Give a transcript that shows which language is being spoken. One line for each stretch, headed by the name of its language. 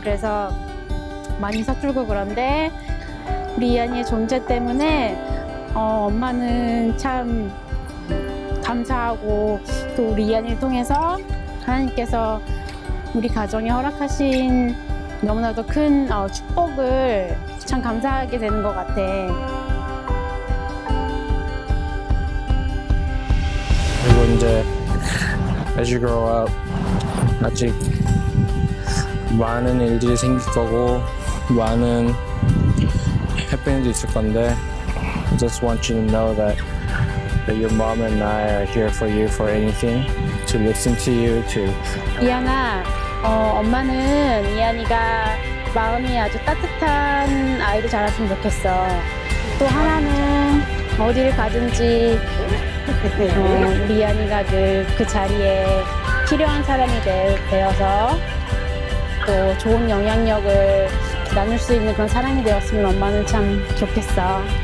Korean: 그래서 많이 서툴고 그런데 우리 이안이의 존재 때문에 엄마는 참 감사하고 또 우리 이안이를 통해서 하나님께서 우리 가정에 허락하신 너무나도 큰 축복을 참 감사하게 되는 것 같아. 그리고 이제
English: as you grow up
Korean: 아직 많은 일들이 생길 거고 많은
English: happenings
Korean: 있을 건데
English: I just want you to know that your mom and I are here for you for anything to listen to you too.
Korean: 이안아 엄마는 이안이가 마음이 아주 따뜻한 아이로 자랐으면 좋겠어. 또 하나는 어디를 가든지 이안이가 그 자리에 필요한 사람이 되어서 또 좋은 영향력을 나눌 수 있는 그런 사람이 되었으면 엄마는 참 좋겠어.